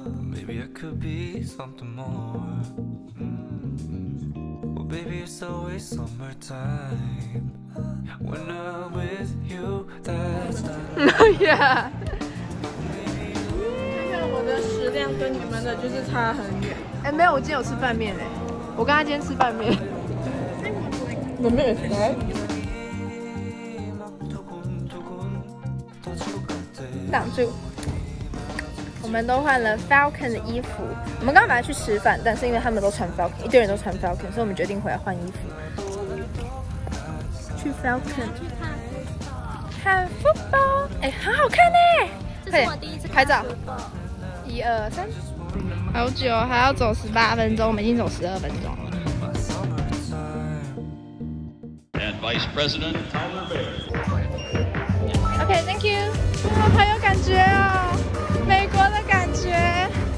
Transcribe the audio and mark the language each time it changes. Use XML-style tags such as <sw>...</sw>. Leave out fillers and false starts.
<en>Maybe I could be something more. Well, baby, it's always summertime when I'm with you. That's not. Yeah.</en> <zh>看看我的食量跟你们的就是差很远。哎，没有，我今天有吃拌面嘞。我刚刚今天吃拌面。拌面。挡住！我们都换了 Falcon 的衣服。我们刚刚本来去吃饭，但是因为他们都穿 Falcon， 一堆人都穿 Falcon， 所以我们决定回来换衣服。去 Falcon 看 football， 哎，很好看呢！快点拍照！一二三，好久，还要走18分钟，我们已经走12分钟了。</zh> <en>And Vice President Tyler Bear. Okay, thank you.</en> <zh>我好有感觉哦，美国的感觉。</zh>